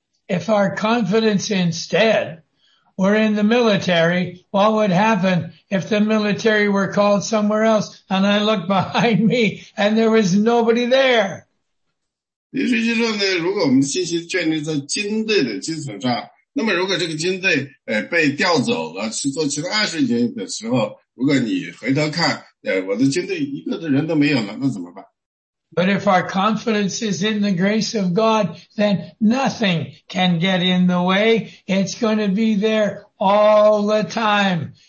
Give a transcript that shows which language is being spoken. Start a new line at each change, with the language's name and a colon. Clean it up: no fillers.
English: If our confidence instead were in the military, what would happen if the military were called somewhere else and I looked behind me and there was nobody there?
Chinese: 实际上呢，如果我们信息建立在军队的基础上，那么如果这个军队被调走了去做其他事情的时候，如果你回头看我的军队一个的人都没有了，那怎么办？
English: But if our confidence is in the grace of God, then nothing can get in the way. It's going to be there all the time.